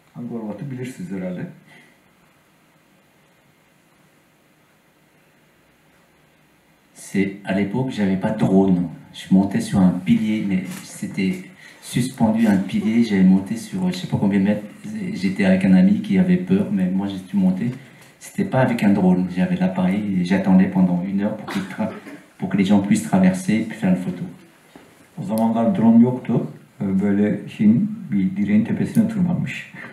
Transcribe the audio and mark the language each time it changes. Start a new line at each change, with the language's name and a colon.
Turkish: Gorbat'ı bilirsiniz herhalde.
French: C'est à l'époque j'avais pas drone. Je montais sur un pilier mais c'était suspendu un pilier, j'avais monté sur je sais pas combien de mètres. J'étais avec un ami qui avait peur mais moi j'ai dû monter. C'était pas avec un drone, j'avais l'appareil et j'attendais pendant une heure pour que les gens puissent traverser et faire une photo.
Turkish: O zamanlar drone yoktu. Böyle şeyin bir direğin tepesine tırmanmış.